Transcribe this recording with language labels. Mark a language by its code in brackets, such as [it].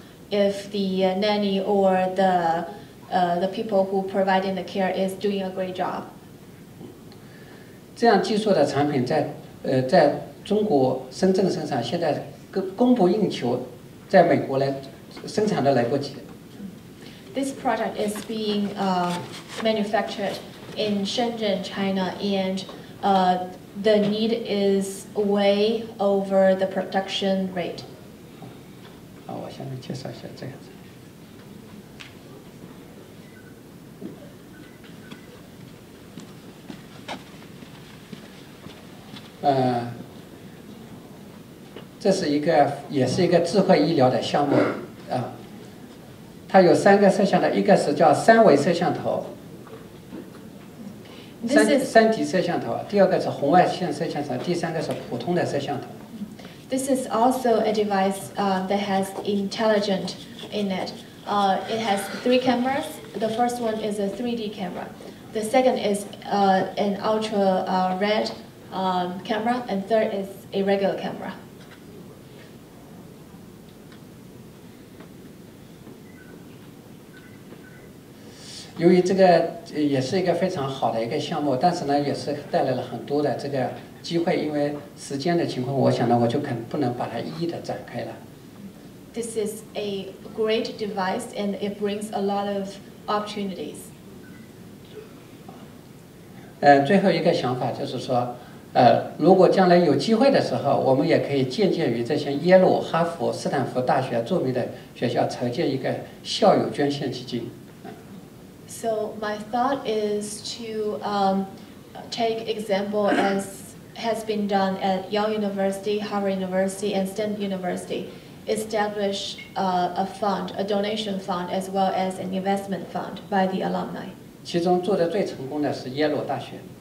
[en] If the nanny or the people who providing the care is doing a great job. [zh] 这样技术的产品在在中国深圳生产现在供不应求，在美国来生产都来不及。 This product is being manufactured in Shenzhen, China, and the need is way over the production rate. 我下面介绍一下这样子。这是一个，也是一个智慧医疗的项目啊。它有三个摄像头，一个是叫三维摄像头，三级摄像头，第二个是红外线摄像头，第三个是普通的摄像头。 [en] This is also a device that has intelligent in it. It has three cameras. The first one is a 3D camera. The second is an ultra red camera. And third is a regular camera. [zh] 由于这个也是一个非常好的一个项目，但是呢，也是带来了很多的这个机会，因为时间的情况，我想呢，我就肯不能把它一一的展开了。 [en] This is a great device, and it brings a lot of opportunities. [zh] 最后一个想法就是说，如果将来有机会的时候，我们也可以借鉴于这些耶鲁、哈佛、斯坦福大学著名的学校，筹建一个校友捐献基金。 [en] So my thought is to take example as. Has been done at Yale University, Harvard University, and Stanford University, establish a fund, a donation fund, as well as an investment fund by the alumni. [zh] 其中做的最成功的是耶鲁大学。